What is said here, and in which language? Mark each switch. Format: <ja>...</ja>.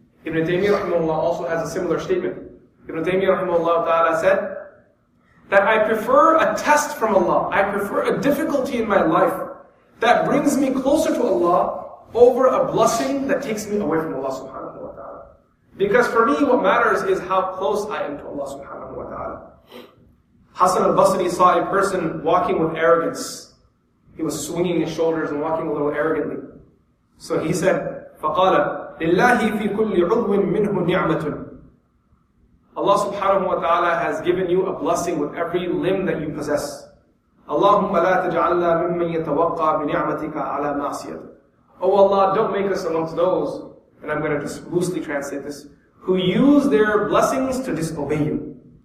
<en>Ibn Taymiyyah rahimahullah also has a similar statement. Ibn Taymiyyah rahimahullah ta'ala said, that I prefer a test from Allah, I prefer a difficulty in my life that brings me closer to Allah over a blessing that takes me away from Allah subhanahu wa ta'ala. Because for me what matters is how close I am to Allah subhanahu wa ta'ala. Hasan al-Basri saw a person walking with arrogance. He was swinging his shoulders and walking a little arrogantly. So he said,</en> <ar>فَقَالَ لِلَّهِ فِي كُلِّ عُضْوٍ مِنْهُ نِعْمَةٌ.</ar> <en>Allah subhanahu wa ta'ala has given you a blessing with every limb that you possess.</en> <ar>اللَّهُمَّ لَا تَجْعَلْنَا مِمَّنْ يَتَوَقَّى بِنِعْمَتِكَ عَلَىٰ مَعْصِيَةٍ.</ar> <en>Oh Allah, don't make us amongst those, and I'm going to just loosely translate this, who use their blessings to disobey you.</en>